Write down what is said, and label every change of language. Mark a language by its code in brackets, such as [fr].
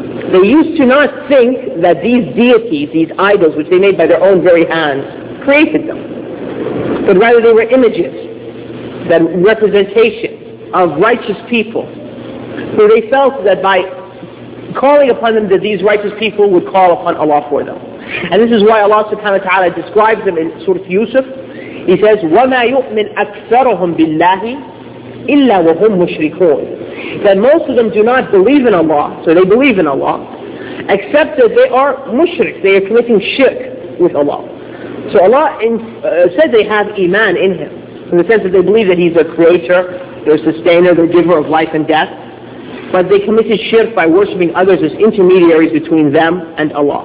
[en] They used to not think that these deities, these idols, which they made by their own very hands, created them. But rather they were images, that representation of righteous people. So they felt that by calling upon them, that these righteous people would call upon Allah for them. And this is why Allah subhanahu wa ta'ala describes them in Surah Yusuf. He says, [ar] وَمَا يُؤْمِنْ أَكْثَرُهُمْ بِاللَّهِ إِلَّا وَهُمْ مُشْرِكُونَ. [en] That most of them do not believe in Allah, so they believe in Allah, except that they are mushrik, they are committing shirk with Allah. So Allah said they have iman in him, in the sense that they believe that he's their creator, their sustainer, their giver of life and death, but they committed shirk by worshipping others as intermediaries between them and Allah.